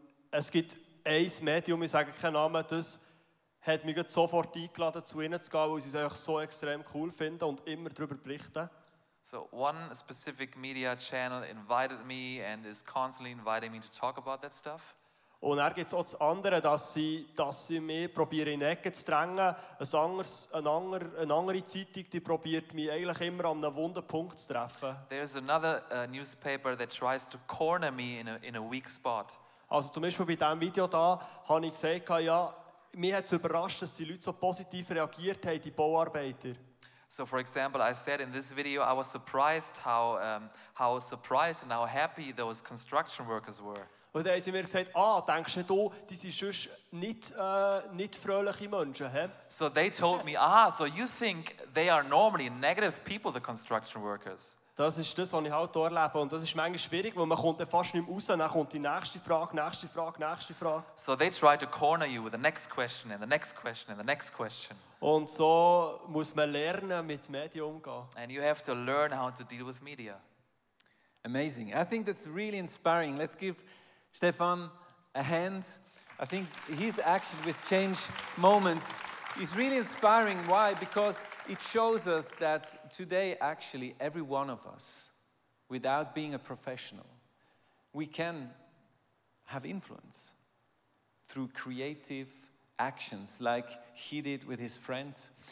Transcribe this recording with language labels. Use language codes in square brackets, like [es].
[de] Es gibt ein Medium, ich sage keinen Namen, das hat mich sofort eingeladen, zu ihnen zu gehen, weil sie es einfach so extrem cool finden und immer darüber berichten. [en] So one specific media channel invited me and is constantly inviting me to talk about that stuff. [de] Und dann gibt es auch das andere, dass sie mich probieren in die Ecke zu drängen. Eine andere Zeitung, die probiert mich eigentlich immer an einem wunden Punkt zu treffen. [en] There's another newspaper that tries to corner me in a weak spot. [de] Also zum Beispiel bei diesem Video da, habe ich gesagt, ja, mich hat es überrascht, dass die Leute so positiv reagiert haben, die Bauarbeiter. [en] So for example, I said in this video, I was surprised how surprised and how happy those construction workers were. [de] Und dann haben sie mir gesagt, ah, denkst du, die sind sonst nicht fröhliche Menschen, he? [en] So they told me, ah, so you think they are normally negative people, the construction workers. [de] Das ist das, was ich halt hier erlebe. Und das ist manchmal schwierig, weil man kommt dann fast nicht mehr raus. Dann kommt die nächste Frage, nächste Frage, nächste Frage. [en] So they try to corner you with the next question and the next question and the next question. [de] Und so muss man lernen, mit Medien umzugehen. [en] And you have to learn how to deal with media. Amazing. I think that's really inspiring. Let's give Stefan a hand. I think his action with Change Moments is really inspiring. Why? Because it shows us that today, actually, every one of us, without being a professional, we can have influence through creative actions, like he did with his friends.